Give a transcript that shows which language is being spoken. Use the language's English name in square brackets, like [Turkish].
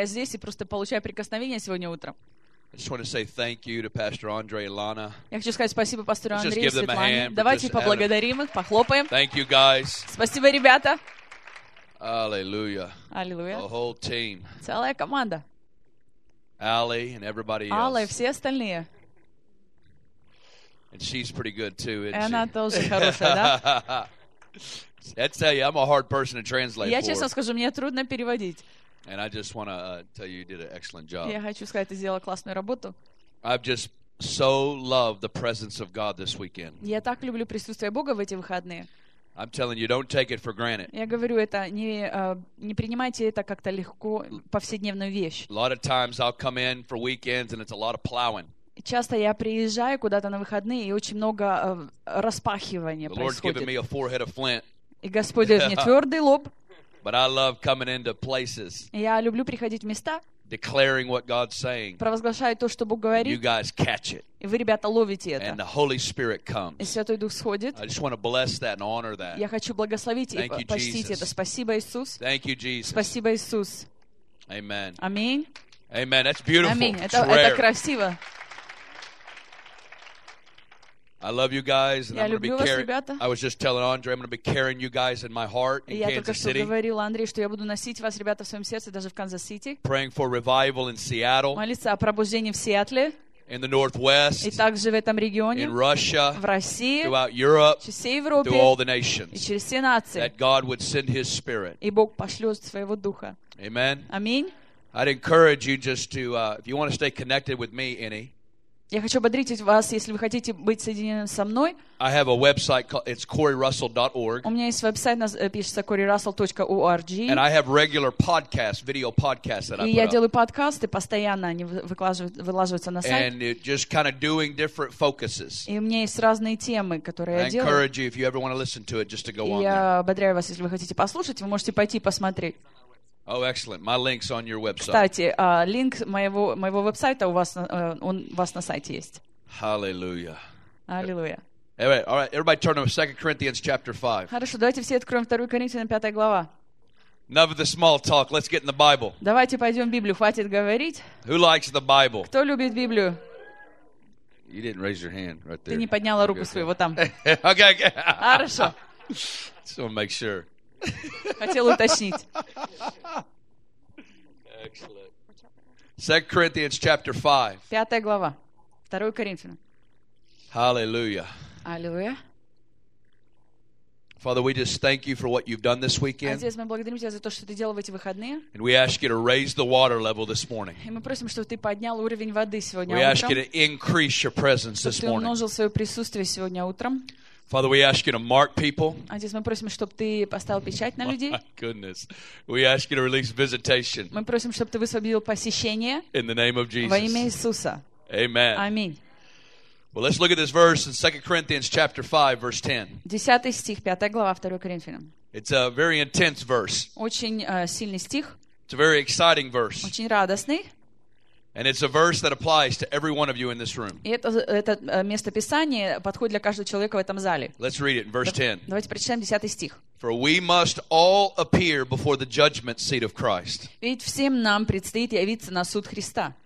[Russian] Я здесь и просто получаю прикосновение сегодня утром. [English] I just want to say thank you to Pastor Andre and Lana. [Russian] Я хочу сказать спасибо пастору Андре и Светлане. [English] Just give them a hand. [Russian] Давайте поблагодарим их, похлопаем. [English] Thank you guys. [Russian] Спасибо, ребята. [English] Hallelujah. [Russian] Аллилуйя. [English] The whole team. [Russian] Целая команда. [English] Ali and everybody else. [Russian] Алла и все остальные. [English] And she's pretty good too, isn't she? [Russian] Она тоже хорошая, да? [English] I tell you, I'm a hard person to translate for. [Russian] Я честно скажу, мне трудно переводить. [English] And I just want to tell you, you did an excellent job. [Russian] Я хочу сказать, ты сделала классную работу. [English] I've just so loved the presence of God this weekend. [Russian] Я так люблю присутствие Бога в эти выходные. [English] I'm telling you, don't take it for granted. [Russian] Я говорю это, не принимайте это как-то легко, повседневную вещь. [English] A lot of times I'll come in for weekends and it's a lot of plowing. [Russian] Часто я приезжаю куда-то на выходные, и очень много распахивания происходит. [English] The Lord's given me a forehead of flint. [Russian] И Господь дает мне твердый лоб. [English] But I love coming into places. [Russian] Я люблю приходить в места. [English] Declaring what God's saying. [Russian] Провозглашаю то, что Бог говорит. [English] You guys catch it. [Russian] И вы, ребята, ловите это. [English] And the Holy Spirit comes. [Russian] И Святой Дух сходит. [English] I just want to bless that and honor that. [Russian] Я хочу благословить и почтить это. Спасибо, Иисус. [English] Thank you, Jesus. [Russian] Спасибо, Иисус. [English] Amen. [Russian] Аминь. [English] Amen. That's beautiful. [Russian] Аминь. Это красиво. [English] I love you guys, and [Russian] я [English] I'm going to be carrying. I was just telling Andre, I'm going to be carrying you guys in my heart in Kansas City. [Russian] Я только что говорил Андре, что я буду носить вас, ребята, в своем сердце даже в Канзас Сити. [English] Praying for revival in Seattle. [Russian] Молиться о пробуждении в Сиэтле. [English] In the Northwest. [Russian] И также в этом регионе. [English] In Russia. [Russian] В России. [English] Throughout Europe. [Russian] Через всю Европу. [English] Through all the nations. [Russian] И через все нации. [English] That God would send His Spirit. [Russian] И Бог пошлет своего духа. [English] Amen. [Russian] Аминь. [English] I'd encourage you just to, if you want to stay connected with me, any. [Russian] Я хочу ободрить вас, если вы хотите быть соединены со мной. [English] I have a website called, it's coreyrussell.org. [Russian] У меня есть веб-сайт, пишется coreyrussell.org. [English] And I have regular podcasts, video podcasts that I put up. [Russian] И я делаю подкасты, постоянно они вылаживаются на сайт. [English] And just kind of doing different focuses. [Russian] И у меня есть разные темы, которые я делаю. [English] I encourage you, if you ever want to listen to it, just to go on there. [Russian] Я ободряю вас, если вы хотите послушать, вы можете пойти посмотреть. [English] Oh, excellent. My link's on your website. [Russian] Кстати, линк моего веб-сайта у вас на сайте есть. [English] Hallelujah. Hallelujah. All right. Everybody turn to 2 Corinthians chapter 5. [Russian] Хорошо, давайте все откроем 2 Коринфянам 5 глава. [English] Enough of the small talk. Let's get in the Bible. [Russian] Давайте пойдем в Библию. Хватит говорить. [English] Who likes the Bible? [Russian] Кто любит Библию? [English] You didn't raise your hand right there. [Russian] Ты не подняла руку свою вот там. [English] Okay. [Russian] Хорошо. [English] Just want to make sure. [Russian] Хотел уточнить. [English] Excellent. 2 Corinthians chapter 5. [Russian] Пятая глава. 2 Коринфянам. [English] Hallelujah. Hallelujah. Father, we just thank you for what you've done this weekend. [Russian] Отец, мы благодарим тебя за то, что ты делал в эти выходные. [English] And we ask you to raise the water level this morning. [Russian] И мы просим, чтобы ты поднял уровень воды сегодня [English] we [Russian] утром. [English] We ask you to increase your presence this morning. [Russian] Ты умножил свое присутствие сегодня утром. [English] Father, we ask you to mark people. [Russian] Отец, мы просим, чтобы ты поставил печать на людей. [English] My goodness. We ask you to release visitation. [Russian] Мы просим, чтобы ты высвободил посещение. [English] In the name of Jesus. [Russian] Во имя Иисуса. [English] Amen. [Russian] Аминь. [English] Well, let's look at this verse in 2 Corinthians chapter 5, verse 10. [Russian] 10 стих, 5 глава 2 Коринфянам. [English] It's a very intense verse. [Russian] Очень сильный стих. [English] It's a very exciting verse. [Russian] Очень радостный. [English] And it's a verse that applies to every one of you in this room. [Russian] Это место Писания подходит для каждого человека в этом зале. [English] Let's read it in verse 10. [Russian] Давайте прочитаем 10 стих. [English] For we must all appear before the judgment seat of Christ. [Russian] Ведь всем нам предстоит явиться на суд Христа.